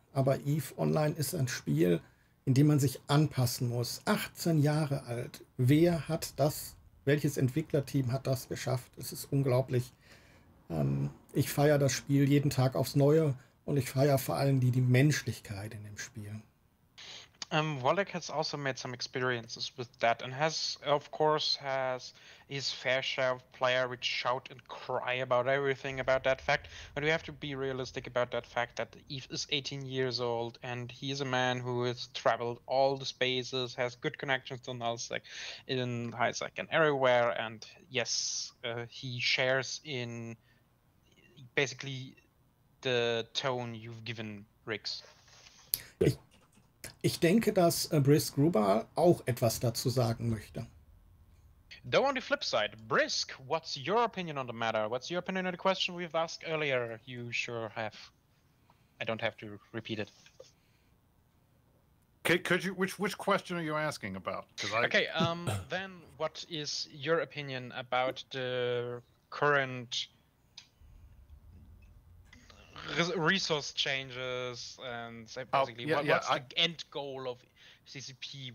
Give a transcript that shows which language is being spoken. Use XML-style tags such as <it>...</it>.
<de>Aber Eve Online ist ein Spiel, in dem man sich anpassen muss. 18 Jahre alt. Wer hat das, welches Entwicklerteam hat das geschafft? Es ist unglaublich. Ich feiere das Spiel jeden Tag aufs Neue. Und ich feiere vor allem die Menschlichkeit in dem Spiel.</de> <en>Wallach has also made some experiences with that and has, of course, has his fair share of player which shout and cry about everything about that fact. But we have to be realistic about that fact that Eve is 18 years old and he is a man who has traveled all the spaces, has good connections to Nullsec, in Highsec and everywhere. And yes, he shares in basically the tone you've given Rix.</en> <de>Ich denke, dass Brisk Gruber auch etwas dazu sagen möchte.</de> <en>Though on the flip side, Brisk, what's your opinion on the matter? What's your opinion on the question we've asked earlier? You sure have. I don't have to repeat it. Which question are you asking about? Okay, then what is your opinion about the current resource changes and basically what's the end goal of CCP?</en>